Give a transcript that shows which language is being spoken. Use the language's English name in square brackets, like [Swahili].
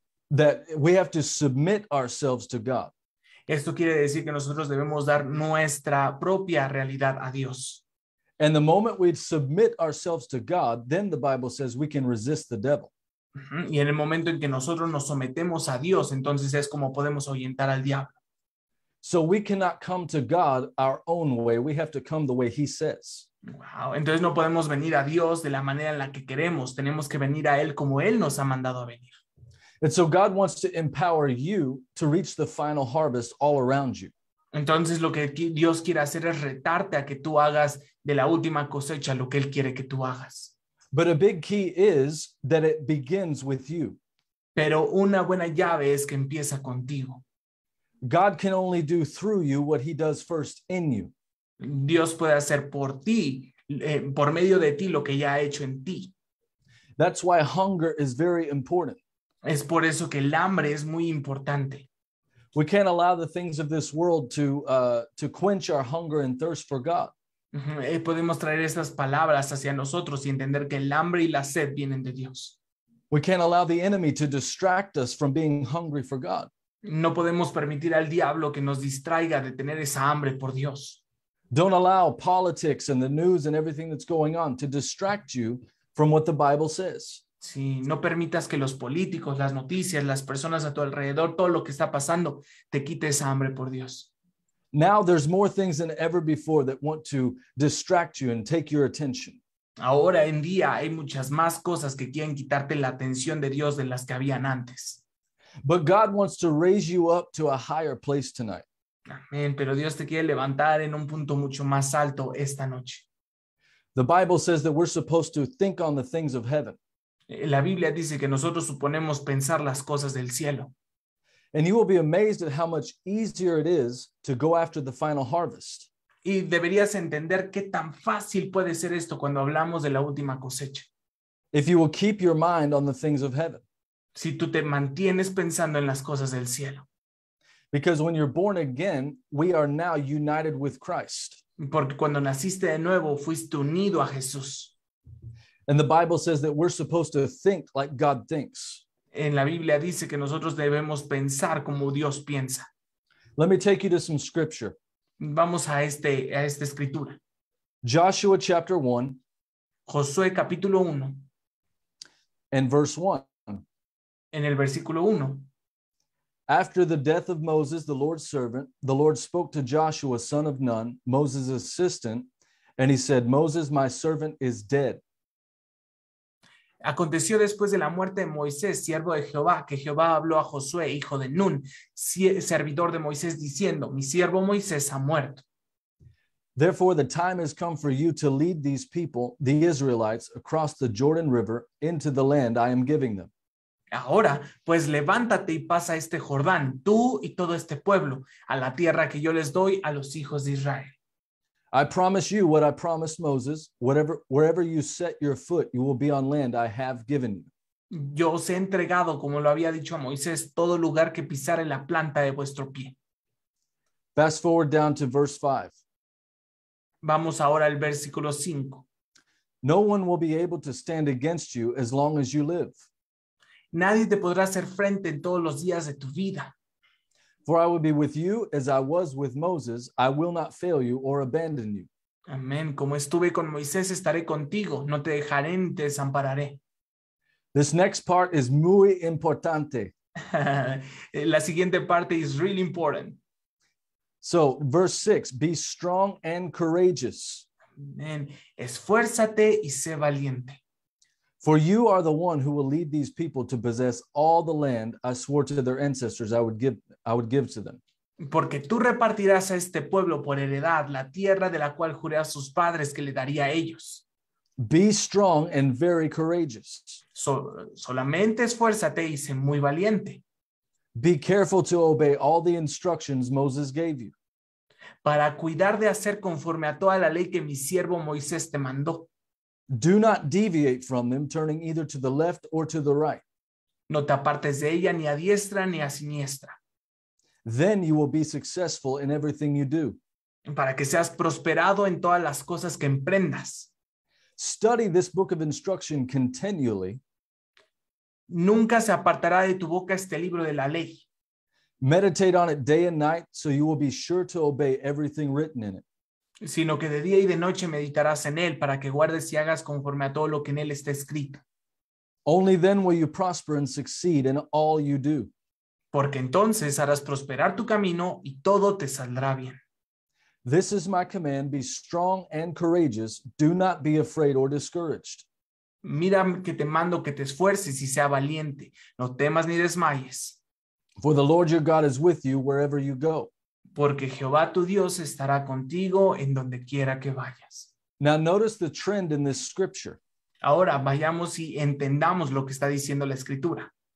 [English] That we have to submit ourselves to God. [Spanish] Esto quiere decir que nosotros debemos dar nuestra propia realidad a Dios. [English] And the moment we submit ourselves to God, then the Bible says we can resist the devil. [Spanish] Y en el momento en que nosotros nos sometemos a Dios, entonces es como podemos ahuyentar al diablo. [English] So we cannot come to God our own way. We have to come the way he says. Wow. [Spanish] Entonces no podemos venir a Dios de la manera en la que queremos. Tenemos que venir a él como él nos ha mandado a venir. [English] And so God wants to empower you to reach the final harvest all around you. [Spanish] Entonces, lo que Dios quiere hacer es retarte a que tú hagas de la última cosecha lo que Él quiere que tú hagas. [English] But a big key is that it begins with you. [Spanish] Pero una buena llave es que empieza contigo. [English] God can only do through you what He does first in you. [Spanish] Dios puede hacer por ti, por medio de ti, lo que ya ha hecho en ti. [English] That's why hunger is very important. [Spanish] Es por eso que el hambre es muy importante. [English] We can't allow the things of this world to quench our hunger and thirst for God. [Spanish] Podemos traer esas palabras hacia nosotros y entender que el hambre y la sed vienen de Dios. [English] We can't allow the enemy to distract us from being hungry for God. [Spanish] No podemos permitir al diablo que nos distraiga de tener esa hambre por Dios. [English] Don't allow politics and the news and everything that's going on to distract you from what the Bible says. [Spanish] Sí, no permitas que los políticos, las noticias, las personas a tu alrededor, todo lo que está pasando, te quite esa hambre por Dios. [English] Now there's more things than ever before that want to distract you and take your attention. [Spanish] Ahora en día hay muchas más cosas que quieren quitarte la atención de Dios de las que habían antes. [English] But God wants to raise you up to a higher place tonight. [Spanish] Amén, pero Dios te quiere levantar en un punto mucho más alto esta noche. [English] The Bible says that we're supposed to think on the things of heaven. [Spanish] La Biblia dice que nosotros suponemos pensar las cosas del cielo. [English] And you will be amazed at how much easier it is to go after the final harvest. [Spanish] Y deberías entender qué tan fácil puede ser esto cuando hablamos de la última cosecha. [English] If you will keep your mind on the things of heaven. [Spanish] Si tú te mantienes pensando en las cosas del cielo. [English] Because when you're born again, we are now united with Christ. [Spanish] Porque cuando naciste de nuevo, fuiste unido a Jesús. [English] And the Bible says that we're supposed to think like God thinks. [Spanish] En la Biblia dice que nosotros debemos pensar como Dios piensa. [English] Let me take you to some scripture. [Spanish] Vamos a esta escritura. [English] Joshua chapter 1. [Spanish] Josué capítulo 1. [English] And verse 1. [Spanish] En el versículo 1. [English] After the death of Moses, the Lord's servant, the Lord spoke to Joshua, son of Nun, Moses' assistant, and he said, Moses, my servant, is dead. [Spanish] Aconteció después de la muerte de Moisés, siervo de Jehová, que Jehová habló a Josué, hijo de Nun, servidor de Moisés, diciendo, mi siervo Moisés ha muerto. [English] Therefore, the time has come for you to lead these people, the Israelites, across the Jordan River into the land I am giving them. [Spanish] Ahora, pues levántate y pasa este Jordán, tú y todo este pueblo, a la tierra que yo les doy a los hijos de Israel. [English] I promise you what I promised Moses, wherever you set your foot, you will be on land I have given you. [Spanish] Yo os he entregado, como lo había dicho a Moisés, todo lugar que pisare la planta de vuestro pie. [English] Fast forward down to verse 5. [Spanish] Vamos ahora al versículo 5. [English] No one will be able to stand against you as long as you live. [Spanish] Nadie te podrá hacer frente en todos los días de tu vida. [English] For I will be with you as I was with Moses. I will not fail you or abandon you. [Spanish] Amén. Como estuve con Moisés, estaré contigo. No te dejaré ni te desampararé. [English] This next part is [Spanish] muy importante. La siguiente parte [English] is really important. So, verse 6, be strong and courageous. [Spanish] Amén. Esfuérzate y sé valiente. [English] For you are the one who will lead these people to possess all the land I swore to their ancestors I would give to them. [Spanish] Porque tú repartirás a este pueblo por heredad la tierra de la cual juré a sus padres que le daría a ellos. [English] Be strong and very courageous. [Spanish] Solamente esfuérzate y sé muy valiente. [English] Be careful to obey all the instructions Moses gave you. [Spanish] Para cuidar de hacer conforme a toda la ley que mi siervo Moisés te mandó. [English] Do not deviate from them, turning either to the left or to the right. [Spanish] No te apartes de ella ni a diestra ni a siniestra. [English] Then you will be successful in everything you do. [Spanish] Para que seas prosperado en todas las cosas que emprendas. [English] Study this book of instruction continually. [Spanish] Nunca se apartará de tu boca este libro de la ley. [English] Meditate on it day and night, so you will be sure to obey everything written in it. [Spanish] Sino que de día y de noche meditarás en él para que guardes y hagas conforme a todo lo que en él está escrito. [English] Only then will you prosper and succeed in all you do. [Spanish] Porque entonces harás prosperar tu camino y todo te saldrá bien. [English] This is my command, be strong and courageous, do not be afraid or discouraged. [Spanish] Mira que te mando que te esfuerces y sea valiente, no temas ni desmayes. [English] For the Lord your God is with you wherever you go. [Spanish] Porque Jehová tu Dios estará contigo en donde quiera que vayas. [English] Now notice the trend in this scripture. [Spanish] Ahora vayamos y entendamos lo que está diciendo la escritura.